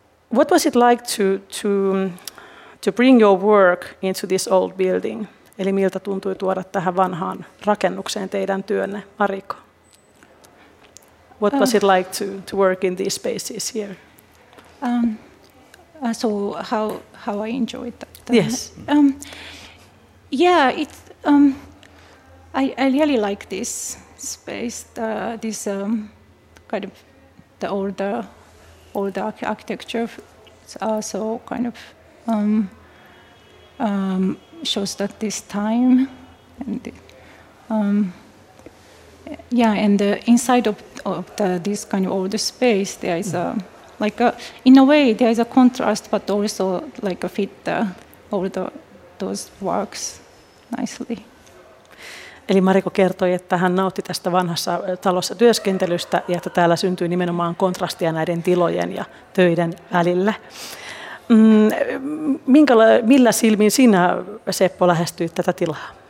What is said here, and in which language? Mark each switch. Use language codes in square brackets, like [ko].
[en] What was it like to bring your work into this old building? [fi] Eli miltä tuntui tuoda tähän vanhaan rakennukseen teidän työnne, Mariko? [en] What was it like to work in these spaces here? So how I enjoyed that. Yes. I really like this space. This kind of the older architecture. So kind of shows that this time and. Inside of this kind of older space, there is a contrast, but also like a fit all the those works nicely. [fi] Eli Mariko kertoi, että hän nautti tästä vanhassa talossa työskentelystä ja että täällä syntyy nimenomaan kontrastia näiden tilojen ja töiden välillä. Millä silmin sinä, Seppo, lähestyit tätä tilaa?